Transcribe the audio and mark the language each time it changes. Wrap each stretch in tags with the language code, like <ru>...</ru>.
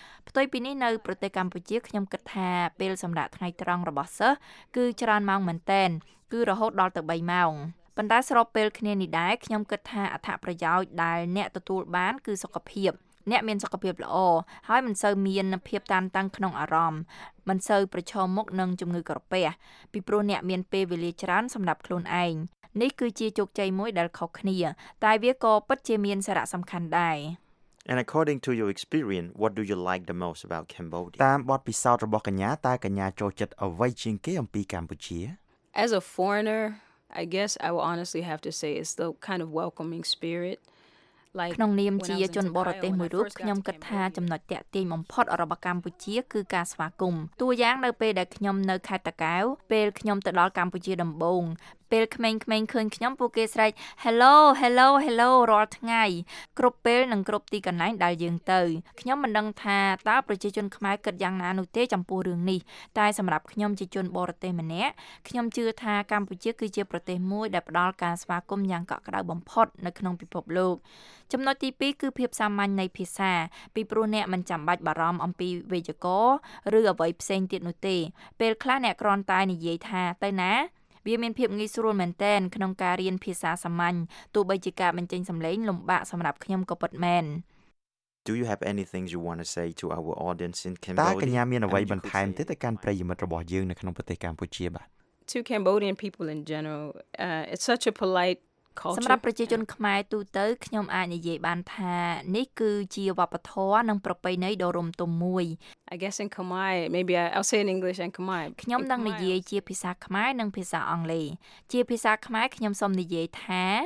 <km>ផ្ទុយពីនេះនៅប្រទេសកម្ពុជាខ្ញុំគិតថាពេលសម្រាប់ថ្ងៃត្រង់របស់សិស្សគឺច្រើនម៉ោងមែនទែនគឺរហូតដល់ទៅ3ម៉ោងប៉ុន្តែស្របពេលគ្នានេះដែរខ្ញុំគិតថាអត្ថប្រយោជន៍ដែលអ្នកទទួលបានគឺសុខភាពអ្នកមានសុខភាពល្អហើយមិនសូវមានភាពតានតឹងក្នុងអារម្មណ៍មិនសូវប្រឈមមុខនឹងជំងឺក្រពះពីព្រោះអ្នកមានពេលវេលាច្រើនសម្រាប់ខ្លួនឯងនេះគឺជាជោគជ័យមួយដែលខុសគ្នាតែវាក៏ពិតជាមានសារៈសំខាន់ដែរ</km> <en>And according to your experience, what do you like the most about Cambodia?</en> <km>តាមបទពិសោធន៍របស់កញ្ញាតើកញ្ញាចូលចិត្តអ្វីជាងគេអំពីកម្ពុជា?</km> <en>As a foreigner, I guess I will honestly have to say it's the kind of welcoming spirit.</en> <km>ក្នុងនាមជាជនបរទេសមួយរូបខ្ញុំគិតថាចំណុចទាក់ទាញបំផុតរបស់កម្ពុជាគឺការស្វាគមន៍តួយ៉ាងនៅពេលដែលខ្ញុំនៅខេត្តតាកែវពេលខ្ញុំទៅដល់កម្ពុជាដំបូងពេលក្មេងៗឃើញខ្ញុំពួកគេស្រែក</km> <en>Hello Hello Hello</en> <km>រាល់ថ្ងៃគ្រប់ពេលនិងគ្រប់ទីកន្លែងដែលយើងទៅខ្ញុំមិនដឹងថាតើប្រជាជនខ្មែរគិតយ៉ាងណានោះទេចំពោះរឿងនេះតែសម្រាប់ខ្ញុំជាជនបរទេសម្នាក់ខ្ញុំជឿថាកម្ពុជាគឺជាប្រទេសមួយដែលផ្ដល់ការស្វាគមន៍យ៉ាងកក់ក្ដៅបំផុតនៅក្នុងពិភពលោក ចំណុចទី2គឺភាពសាមញ្ញនៃភាសាពីព្រោះអ្នកមិនចាំបាច់បារម្ភអំពីវេយ្យាករណ៍ឬអ្វីផ្សេងទៀតនោះទេពេលខ្លះអ្នកគ្រាន់តែនិយាយថាទៅណាវាមានភាពងាយស្រួលមែនទែនក្នុងការរៀនភាសាសាមញ្ញទោះបីជាការបញ្ចេញសំឡេងលំបាកសម្រាប់ខ្ញុំក៏ពិតមែន</km> <en>Do you have anything you want to say to our audience in Cambodia?</en> <km>តើកញ្ញាមានអ្វីបន្ថែមទេទៅកាន់ប្រិយមិត្តរបស់យើងនៅក្នុងប្រទេសកម្ពុជាបាទ</km> <en>To Cambodian people in general it's such a polite</en> <km>សម្រាប់ប្រជាជនខ្មែរទូទៅខ្ញុំអាចនិយាយបានថានេះគឺជាវប្បធម៌និងប្រពៃណីដ៏រំទំមួយ</km> <en>I guess in Khmer maybe I'll say in English and Khmer</en> <km>ខ្ញុំនឹងនិយាយជាភាសាខ្មែរនិងភាសាអង់គ្លេសជាភាសាខ្មែរខ្ញុំសូមនិយាយថា</km>